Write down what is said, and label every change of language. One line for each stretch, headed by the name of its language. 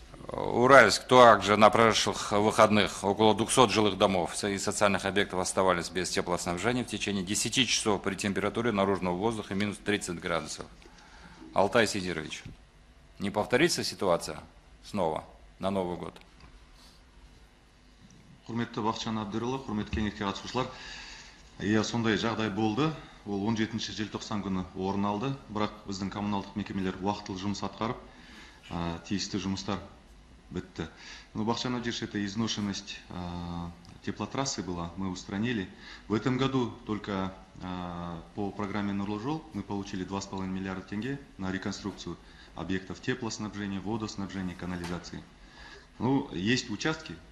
Russian: Уральск, также на прошлых выходных около 200 жилых домов и социальных объектов оставались без теплоснабжения в течение 10 часов при температуре наружного воздуха минус 30 градусов. Алтай Сидирович, не повторится ситуация снова на Новый год?
Kazakh: Құрметті Бақытжан Абдырұлы, құрметті кеңеске қатысушылар. Иә, сондай жағдай болды. Ол 17 желтоқсан күні орын алды, бірақ біздің коммуналдық мекемелер уақытылы жұмыс атқарып, тиісті жұмыстар бытто.
Russian: Ну, Бахтиян Авдеевич, это изношенность теплотрассы была, мы устранили. В этом году только по программе «Нурлы жол» мы получили 2,5 миллиарда тенге на реконструкцию объектов теплоснабжения, водоснабжения, канализации. Ну, есть участки,